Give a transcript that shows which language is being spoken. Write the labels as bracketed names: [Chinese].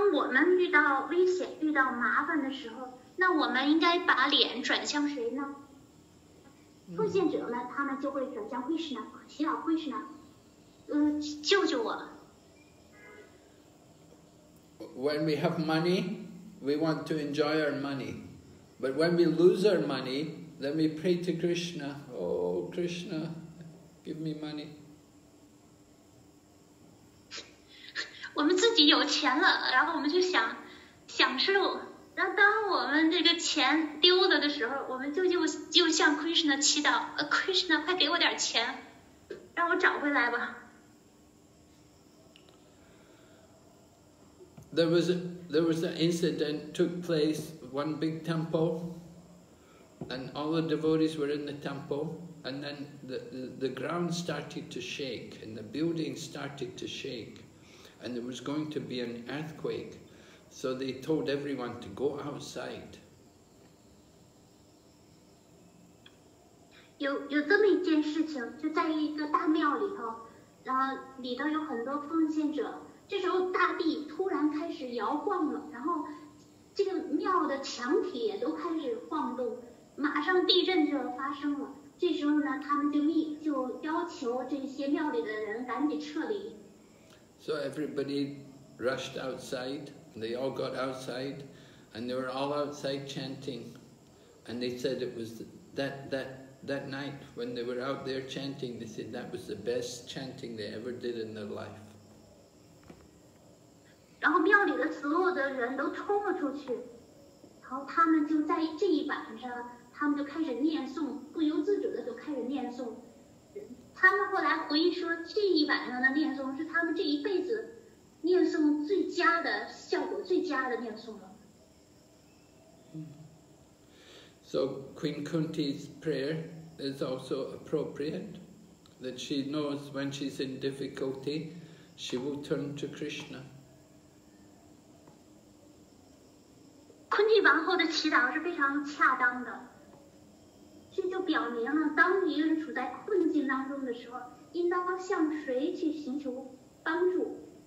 [Chinese] 们遇到危险、遇到麻烦的时候，那我们应该把脸转向谁呢？奉献者呢，他们就会转向慧士呢，祈祷慧士呢，救救我。 [English] When we have money, we want to enjoy our money. But when we lose our money, then we pray to Krishna. Oh, Krishna, give me money. [Chinese] 我们自己有钱了，然后我们就想享受。那当我们这个钱丢了的时候，我们就向 Krishna 祈祷， Krishna, 快给我点钱，让我找回来吧。 [English] There was an incident took place, one big temple, and all the devotees were in the temple, and then the ground started to shake, and the building started to shake, and there was going to be an earthquake, so they told everyone to go outside. [Chinese] 有这么一件事情，就在一个大庙里头，然后里头有很多奉献者。这时候大地突然开始摇晃了，然后这个庙的墙体也都开始晃动，马上地震就发生了。这时候呢，他们就要求这些庙里的人赶紧撤离。 [English] So everybody rushed outside, they all got outside, and they were all outside chanting. And they said it was that night when they were out there chanting, they said that was the best chanting they ever did in their life. [Chinese] 然后庙里的所有的人都冲了出去，然后他们就在这一晚上，他们就开始念诵，不由自主的就开始念诵。他们后来回忆说，这一晚上的念诵是他们这一辈子念诵最佳的效果，最佳的念诵了。 [English] So Queen Kunti's prayer is also appropriate, that she knows when she's in difficulty, she will turn to Krishna. [Chinese] 昆蒂王后的祈祷是非常恰当的，这就表明了当一个人处在困境当中的时候，应当向谁去寻求帮助？